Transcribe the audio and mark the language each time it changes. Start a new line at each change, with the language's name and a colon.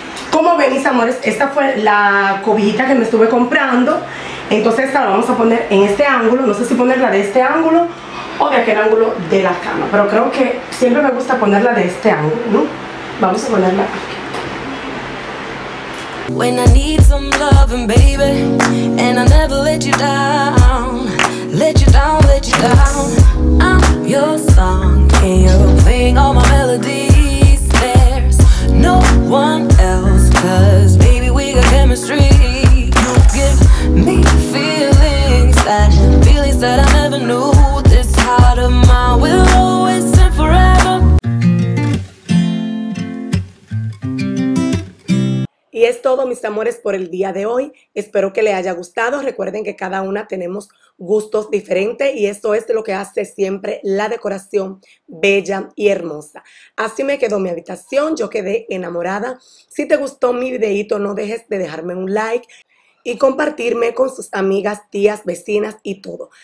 Spanish: Como ven, mis amores, esta fue la cobijita que me estuve comprando. Entonces esta la vamos a poner en este ángulo. No sé si ponerla de este ángulo o de aquel ángulo de la cama, pero creo que siempre me gusta ponerla de este ángulo, ¿no? Vamos a ponerla aquí.
English: When I need some loving, baby, and I never let you down, let you down, let you down. I'm your song, and you're playing all my melodies. There's no one else, 'cause baby we got chemistry. You give me feelings, that feelings that I never knew. This heart of mine will always and forever.
Spanish: Y es todo, mis amores, por el día de hoy. Espero que les haya gustado. Recuerden que cada una tenemos gustos diferentes y eso es lo que hace siempre la decoración bella y hermosa. Así me quedó mi habitación. Yo quedé enamorada. Si te gustó mi videito, no dejes de dejarme un like y compartirme con sus amigas, tías, vecinas y todo.